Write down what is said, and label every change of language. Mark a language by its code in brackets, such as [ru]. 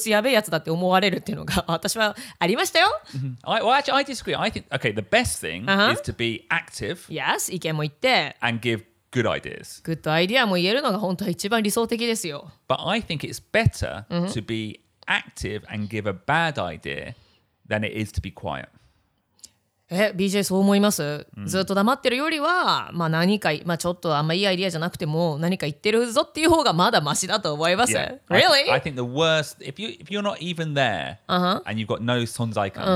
[ja] 何でもいいからとにかく発言しましょうっていうくせに、本当にアホなこと言って、本当にこいつやべえやつだって思われるっていうのが私はありましたよ。 [en] Well, actually, I disagree. I think, okay, the best thing is to be active. [ja] Yes, 意見も言って。 [en] And give good ideas. Good idea [ja] も言えるのが本当は一番理想的ですよ。 [en] But I think it's better to be active and give a bad idea than it is to be quiet. [ja] BJ, そう思います? ずっと黙ってるよりは、まあ何か、まあちょっとあんまいいアイディアじゃなくても、何か言ってるぞっていう方がまだマシだと思います。 [en] Yeah. Really? I think the worst, if you're not even there, and you've got no 存在感,